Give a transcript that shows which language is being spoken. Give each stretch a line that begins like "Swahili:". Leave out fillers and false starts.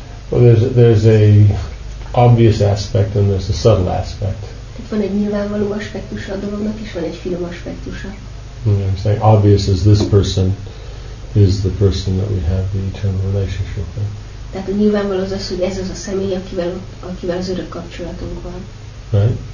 English: Well, there's a obvious aspect and there's a subtle aspect.
Hungarian: Tehát van egy nyilvánvaló aspektusa a dolognak, és van egy finom aspektusa.
English: I'm saying obvious is this person is the person that we have the eternal relationship with.
Hungarian: Tehát a nyilvánvaló az az, hogy ez az a személy, akivel az örök kapcsolatunk van.